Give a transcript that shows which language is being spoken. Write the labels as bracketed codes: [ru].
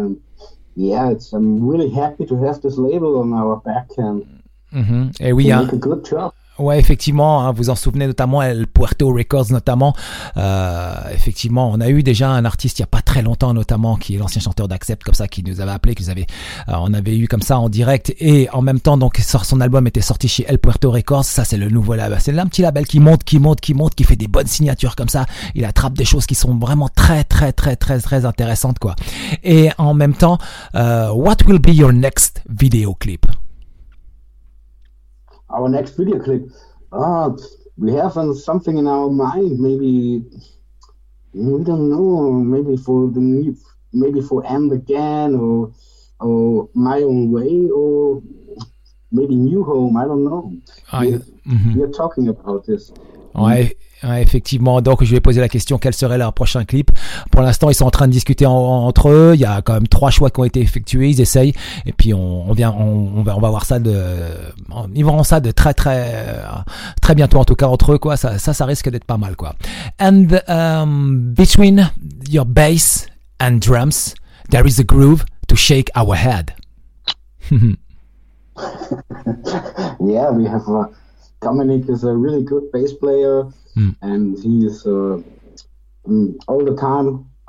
[en] And yeah, I'm really happy to have this label on our back and make a good job. [fr] Ouais, effectivement, hein, vous en souvenez notamment El Puerto Records notamment. Effectivement, on a eu déjà un artiste il y a pas très longtemps notamment qui est l'ancien chanteur d'Accept comme ça qui nous avait appelé, on avait eu comme ça en direct et en même temps donc son album était sorti chez El Puerto Records. Ça c'est le nouveau label, c'est un petit label qui monte, qui fait des bonnes signatures comme ça. Il attrape des choses qui sont vraiment très très très très très intéressantes quoi. Et en même temps, [en] what will be your next video clip? Our next video clip, we have something in our mind, maybe, we don't know, maybe for the new, maybe for End Again, or My Own Way, or maybe New Home, I don't know, we are talking about this. [fr] Ouais. Ouais, effectivement, donc je vais poser la question, quel serait leur prochain clip? Pour l'instant, ils sont en train de discuter entre eux, il y a quand même 3 choix qui ont été effectués, ils essayent, et puis on va voir ça ils verront ça de très très très bientôt, en tout cas entre eux quoi, ça risque d'être pas mal quoi. [en] And between your bass and drums, there is a groove to shake our head. Yeah, we have a Dominic is a really good bass player, and he is all the time.